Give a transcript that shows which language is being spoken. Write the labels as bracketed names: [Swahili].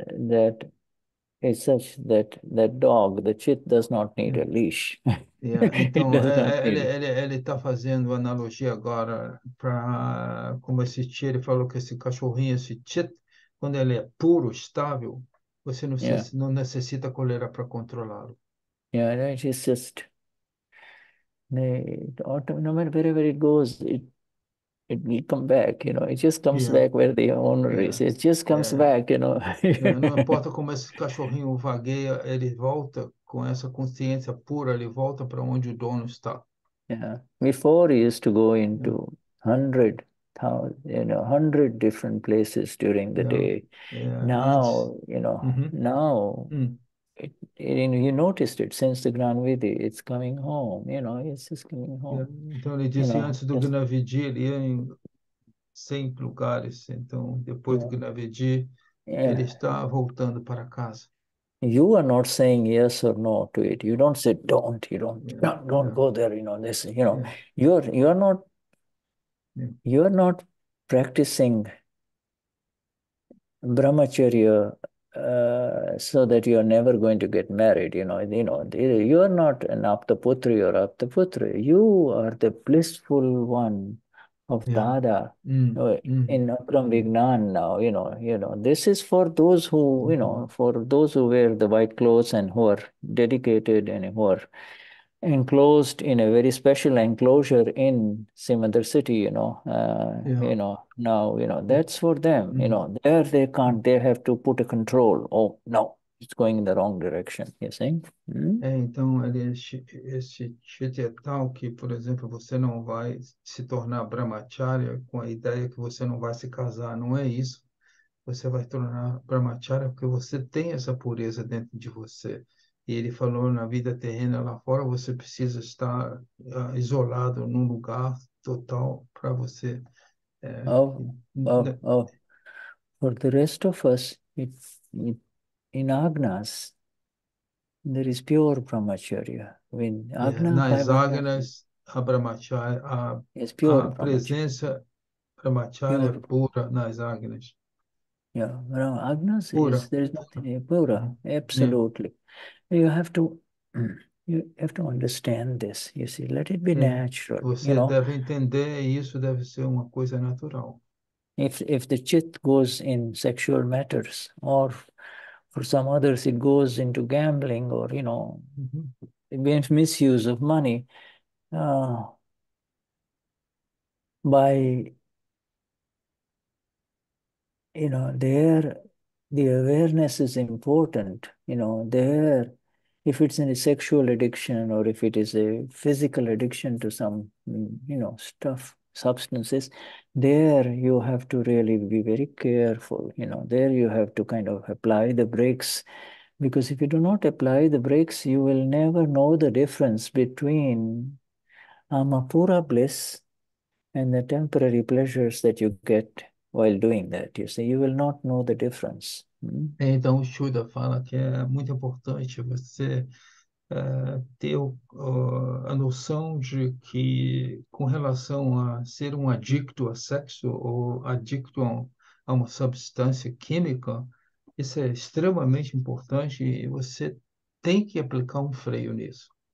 [English] That is such that dog, the chit, does not need a leash. It [Portuguese] Então, [English] does not need. [Portuguese] ele está fazendo analogia agora para como esse chit, ele falou que esse cachorrinho, esse chit, quando ele é puro, estável, você não necessita coleira para controlá-lo. [English] It is just the autumn, no matter wherever it goes, it will come back, it just comes back where the owner is. It just comes back, [Portuguese] Não importa como esse cachorrinho vagueia, ele volta com essa consciência pura, ele volta para onde o dono está. [English] Before he used to go into 100,000, 100 different places during the day. [Portuguese] Antes. [English] Now, now he noticed it since the Gnanvidhi, it's coming home, it's just coming home, [Portuguese] Então ele disse, antes do [English] just. [Portuguese] Gnanvidhi, ele ia em 100 lugares. Então, depois do Gnanvidhi, ele está voltando para casa. [English] You are not saying yes or no to it. You don't say don't. You don't go there. You are not practicing brahmacharya, so that you are never going to get married. You are not an aptaputri. You are the blissful one of Dada. In Akram Vignan now, this is for those who, for those who wear the white clothes and who are dedicated and who are enclosed in a very special enclosure in Simandar city, you know, you know, now, you know, that's for them, you know, there they can't, they have to put a control. Oh, no, it's going in the wrong direction, you're saying? [Portuguese] É, então, esse chute é tal que, por exemplo, você não vai se tornar brahmacharya com a ideia que você não vai se casar, não é isso. Você vai tornar brahmacharya porque você tem essa pureza dentro de você. E ele falou, na vida terrena lá fora, você precisa estar isolado num lugar total para você... [English] For the rest of us, in Agnas, there is pure brahmacharya. When Agna, [Portuguese] nas Agnas, a brahmacharya, a presença brahmacharya pura nas Agnas. [English] Yeah, well, Agnes is, there is nothing pura, absolutely. Yeah. You have to understand this. You see, let it be natural. [Portuguese] Você [English] you know? [Portuguese] Deve entender, isso deve ser uma coisa natural. [English] If the chit goes in sexual matters, or for some others it goes into gambling, or you know, misuse of money, by you know, there, the awareness is important. You know, there, if it's in a sexual addiction or if it is a physical addiction to some, you know, stuff, substances, there you have to really be very careful. You know, there you have to kind of apply the brakes, because if you do not apply the brakes, you will never know the difference between amapura bliss and the temporary pleasures that you get while doing that, you see, you will not know the difference. [Portuguese] Então, o Shuddha fala que é muito importante você ter a noção de que, com relação a ser um adicto a sexo ou adicto a uma substância química, isso é extremamente importante e você tem que aplicar um freio nisso.